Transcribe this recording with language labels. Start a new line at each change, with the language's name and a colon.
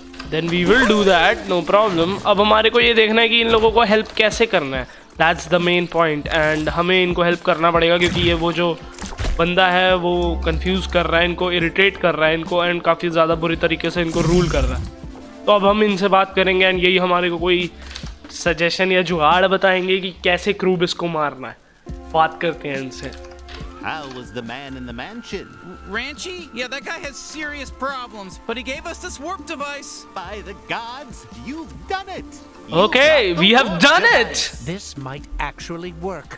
English: Then we will do that, no problem.
Hindi: अब हमारे को ये देखना है कि इन लोगों को help कैसे करना है.
English: That's the main point.
Hindi: And हमें इनको help करना पड़ेगा क्योंकि ये वो जो बंदा है वो confuse कर रहा है इनको, irritate कर रहा है इनको and काफ़ी ज़्यादा बुरी तरीके से इनको rule कर रहा है. तो अब हम इनसे बात करेंगे and यही हमारे को कोई suggestion या जुगाड़ बताएंगे कि कैसे क्रूब इसको मारना है. बात करते हैं इनसे.
English: How was the man in the mansion? Ranchi? Yeah, that guy has serious problems, but he gave us this warp device. By the gods, you've done it! Okay, we have done it! This might actually work.